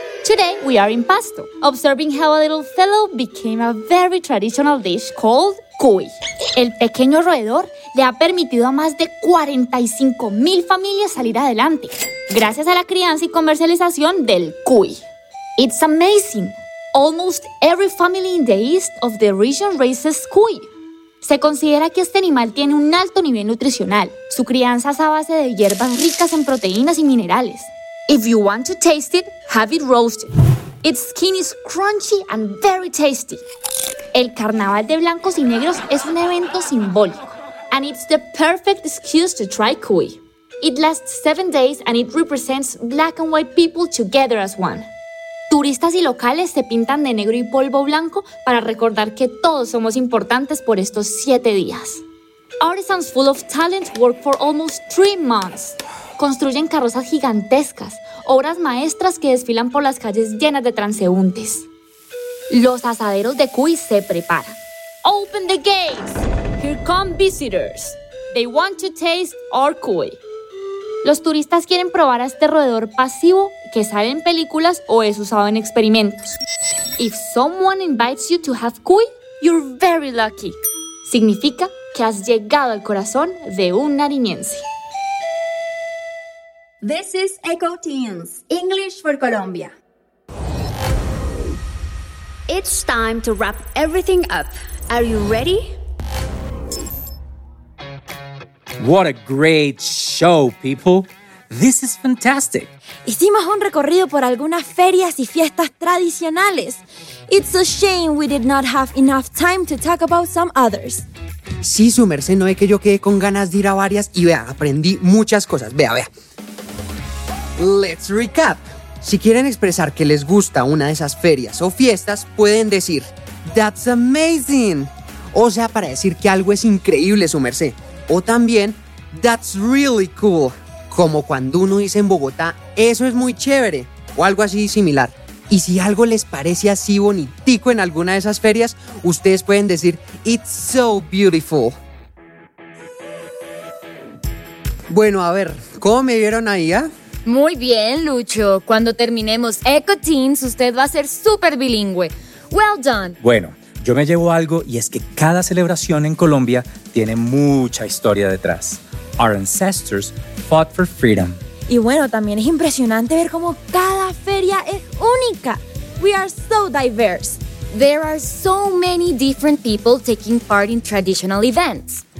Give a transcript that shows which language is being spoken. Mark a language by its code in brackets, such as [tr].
[en] Today, we are in Pasto, observing how a little fellow became a very traditional dish called cuy. [es] El pequeño roedor le ha permitido a más de 45,000 familias salir adelante, gracias a la crianza y comercialización del cuy. [en] It's amazing. Almost every family in the east of the region raises cuy. [es] Se considera que este animal tiene un alto nivel nutricional. Su crianza es a base de hierbas ricas en proteínas y minerales. [en] If you want to taste it, have it roasted. Its skin is crunchy and very tasty. [es] El carnaval de blancos y negros es un evento simbólico. [en] And it's the perfect excuse to try cuy. It lasts 7 days and it represents black and white people together as one. [es] Turistas y locales se pintan de negro y polvo blanco para recordar que todos somos importantes por estos 7 días. [en] Artisans full of talent work for almost 3 months. [es] Construyen carrozas gigantescas, obras maestras que desfilan por las calles llenas de transeúntes. Los asaderos de cuy se preparan. [en] Open the gates! Here come visitors. They want to taste our cuy. [es] Los turistas quieren probar a este roedor pasivo que sale en películas o es usado en experimentos. [en] If someone invites you to have cuy, you're very lucky. [es] Significa que has llegado al corazón de un nariñense. [en] This is Eco Teens, English for Colombia. It's time to wrap everything up. Are you ready? What a great show, people. This is fantastic. [es] Hicimos un recorrido por algunas ferias y fiestas tradicionales. [en] It's a shame we did not have enough time to talk about some others. [es] Sí, su merced, no es que yo quedé con ganas de ir a varias y vea, aprendí muchas cosas. Vea, vea. [en] Let's recap. [es] Si quieren expresar que les gusta una de esas ferias o fiestas, pueden decir [en] That's amazing. [es] O sea, para decir que algo es increíble, su merced. O también, [en] that's really cool. [es] Como cuando uno dice en Bogotá, eso es muy chévere. O algo así similar. Y si algo les parece así bonitico en alguna de esas ferias, ustedes pueden decir, [en] it's so beautiful. [es] Bueno, a ver, ¿cómo me vieron ahí, ah? Muy bien, Lucho. Cuando terminemos Eco Teens, usted va a ser súper bilingüe. [en] Well done. [es] Bueno, yo me llevo algo y es que cada celebración en Colombia tiene mucha historia detrás. [en] Our ancestors fought for freedom. [es] Y bueno, también es impresionante ver cómo cada feria es única. [en] We are so diverse. There are so many different people taking part in traditional events.